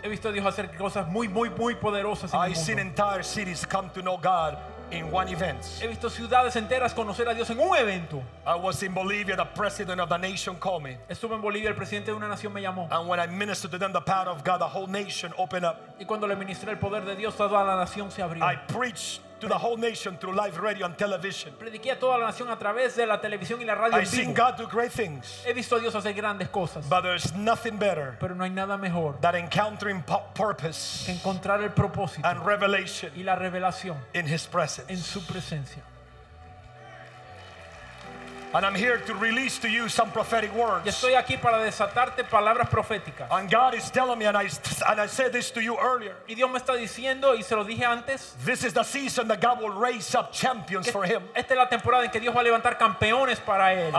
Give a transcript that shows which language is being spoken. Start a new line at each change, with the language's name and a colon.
Spanish: He visto a Dios hacer cosas muy, muy, muy poderosas en el mundo.
English: I've seen entire cities come to know God in one event.
Spanish: He visto ciudades enteras conocer a Dios en un evento.
English: I was in Bolivia, the president of the nation called me.
Spanish: Estuve en Bolivia, el presidente de una nación me llamó.
English: And when I ministered to them the power of God, the whole nation opened up.
Spanish: Y cuando le ministré el poder de Dios, toda la nación se abrió.
English: I preached to the whole nation through live radio and television.
Spanish: Prediqué a toda la nación a través de la televisión y la radio.
English: I've seen God do great things.
Spanish: He visto a Dios hacer grandes cosas.
English: But there's nothing better.
Spanish: Pero no hay nada mejor.
English: That encountering purpose.
Spanish: Que encontrar el propósito.
English: And revelation.
Spanish: Y la revelación.
English: In His presence.
Spanish: En su presencia.
English: And I'm here to release to you some prophetic words.
Spanish: Y estoy aquí para desatarte palabras proféticas.
English: And God is telling me, and I said this to you earlier.
Spanish: Y Dios me está diciendo, y se lo dije antes.
English: This is the season that God will raise up champions for Him.
Spanish: Esta es la temporada en que Dios va a levantar campeones para él.